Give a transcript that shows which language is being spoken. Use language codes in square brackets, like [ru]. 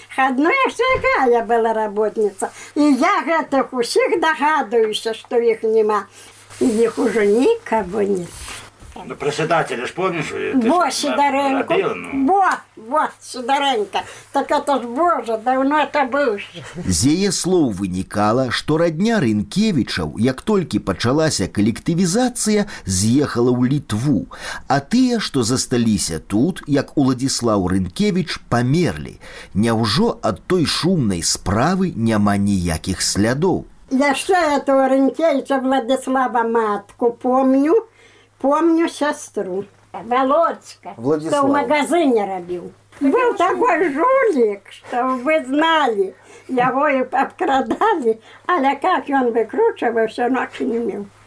[ru] Ну, я всегда я была работница. И я этих всех догадываюсь, что их нема. И их уже никого нет. Ну, председателя ж помнишь? Во, Сидоренко. Сидоренко. Так это ж, Боже, давно это было. [be] З яе слоў вынікала, што родня Рынкевічаў, як толькі пачалася калектывізацыя, з'ехала ў Літву. А тыя, што засталіся тут, як Уладзіслаў Рынкевіч, памерлі. Няўжо ад той шумнай справы няма ніякіх слядоў? [ru] Я ще этого Рынкевіча Владислава матку помню. Помню сестру, Володька, Владислав, что в магазине робил. Был такой жулик, что вы знали, его и обкрадали, але как он выкручивался, ног не имел.